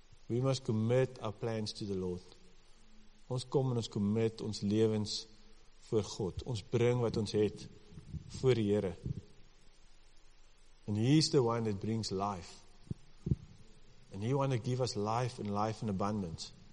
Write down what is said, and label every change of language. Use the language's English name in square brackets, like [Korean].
[English] We must commit our plans to the Lord. [Afrikaans] Ons kom en ons commit ons levens voor God. Ons bring wat ons het voor die Here. [English] And he is the one that brings life. And he want to give us life and life in abundance.